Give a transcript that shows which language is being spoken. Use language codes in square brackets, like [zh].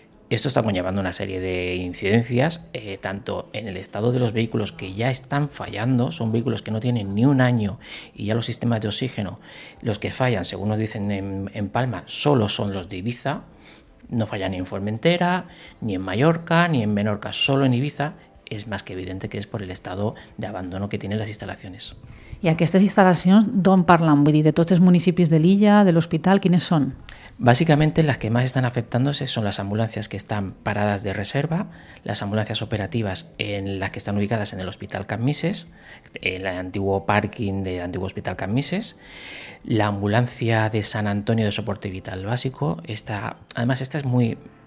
[es] Esto está conllevando una serie de incidencias, tanto en el estado de los vehículos que ya están fallando, son vehículos que no tienen ni un año y ya los sistemas de oxígeno, los que fallan, según nos dicen en Palma, solo son los de Ibiza, no falla ni en Formentera, ni en Mallorca, ni en Menorca, solo en Ibiza, es más que evidente que es por el estado de abandono que tienen las instalaciones. [ca] I aquestes instal·lacions d'on parlen? Vull dir, de tots els municipis de l'illa, de l'hospital, quines són? [es] Básicamente las que más están afectándose son las ambulancias que están paradas de reserva, las ambulancias operativas en las que están ubicadas en el Hospital Camises, en el antiguo parking del antiguo Hospital Camises, la ambulancia de San Antonio de Soporte Vital Básico, esta, además esta es muy...